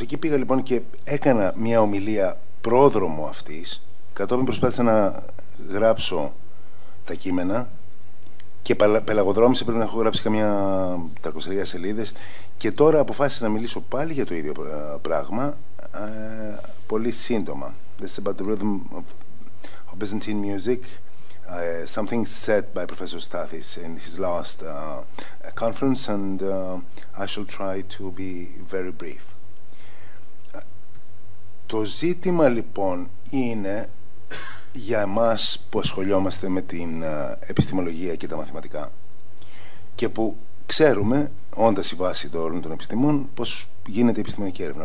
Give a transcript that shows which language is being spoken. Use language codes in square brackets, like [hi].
[el] Εκεί πήγα λοιπόν και έκανα μια ομιλία πρόδρομο αυτής, κατόπιν προσπάθησα να γράψω τα κείμενα και πελαγοδρόμησα, πρέπει να έχω γράψει καμιά 300 σελίδες και τώρα αποφάσισα να μιλήσω πάλι για το ίδιο πράγμα. Πολύ σύντομα. [en] This is about the rhythm of Byzantine music, something said by Professor Stathis in his last conference, and I shall try to be very brief. [el] Το ζήτημα λοιπόν είναι για εμάς που ασχολιόμαστε με την επιστημολογία και τα μαθηματικά και που ξέρουμε, όντας η βάση όλων των επιστημών, πώς γίνεται η επιστημονική έρευνα.